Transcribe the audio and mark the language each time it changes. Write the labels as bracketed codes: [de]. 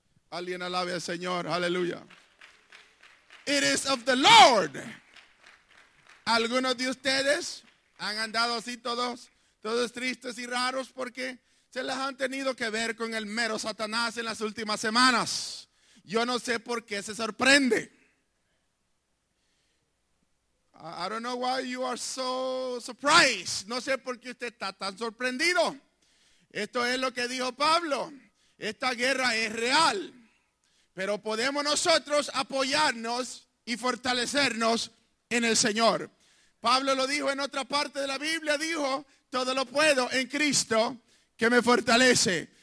[es] Alguien alabe al Señor. Aleluya. [en] It is of the Lord. [es] Algunos de ustedes han andado así todos tristes y raros porque se las han tenido que ver con el mero Satanás en las últimas semanas. Yo no sé por qué se sorprende. [en] I don't know why you are so surprised. [es] No sé por qué usted está tan sorprendido. Esto es lo que dijo Pablo. Esta guerra es real. Pero podemos nosotros apoyarnos y fortalecernos en el Señor. Pablo lo dijo en otra parte de la Biblia. Dijo, todo lo puedo en Cristo que me fortalece.